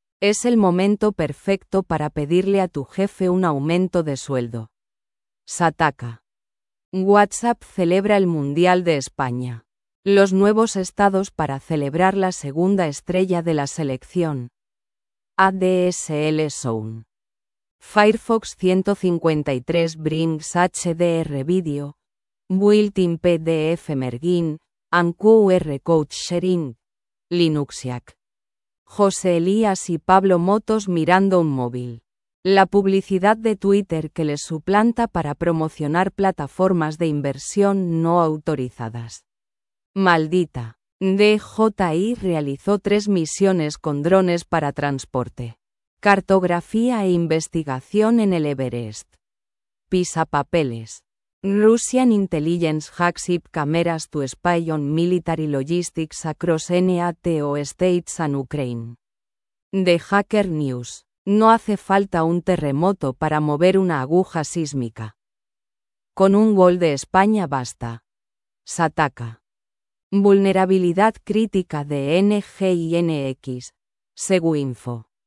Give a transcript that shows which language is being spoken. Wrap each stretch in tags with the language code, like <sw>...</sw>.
<es>Es el momento perfecto para pedirle a tu jefe un aumento de sueldo. Sataka. WhatsApp celebra el Mundial de España. Los nuevos estados para celebrar la segunda estrella de la selección. ADSL Zone.</es> <en>Firefox 153 brings HDR video, built-in PDF merging, and QR code sharing. Linuxiac.</en> <es>José Elías y Pablo Motos mirando un móvil. La publicidad de Twitter que les suplanta para promocionar plataformas de inversión no autorizadas. Maldita. DJI realizó 3 misiones con drones para transporte, cartografía e investigación en el Everest. Pisa papeles.</es> <en>Russian intelligence hacks IP cameras to spy on military logistics across NATO states and Ukraine. The Hacker News.</en> <es>No hace falta un terremoto para mover una aguja sísmica. Con un gol de España basta. Sataka. Vulnerabilidad crítica de NGINX, Seguinfo.</es>